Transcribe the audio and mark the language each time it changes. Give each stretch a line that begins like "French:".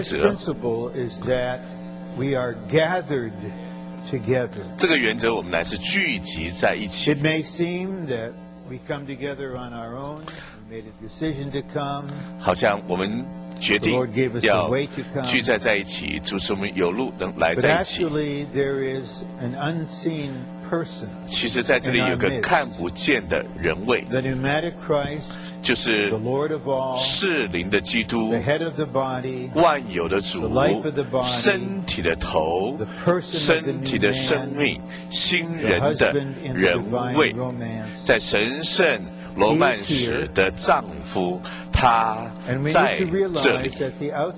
English: And this principle is that we are gathered together.
Chinese: 这个原则我们乃是聚集在一起。
English: It may seem that we come together on our own. We made a decision to come.
Chinese: 好像我们决定要聚在在一起，主使我们有路能来在一起。
English: But actually, there is an unseen person.
Chinese: 其实在这里有个看不见的人位。
English: The pneumatic Christ.
Chinese: 就是士灵的基督，万有的主，身体的头，身体的生命，新人的人位，在神圣罗曼史的丈夫，他在这里。